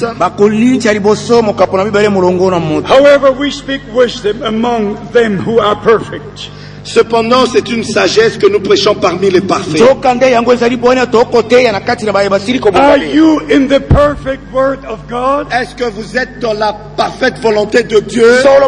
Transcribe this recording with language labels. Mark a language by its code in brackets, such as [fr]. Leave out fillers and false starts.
[en] however we speak wisdom among them who are perfect. [fr] Cependant, c'est une sagesse que nous prêchons parmi les parfaits. [en] Are you in the perfect word of God? [fr] Est-ce que vous êtes dans la parfaite volonté de Dieu?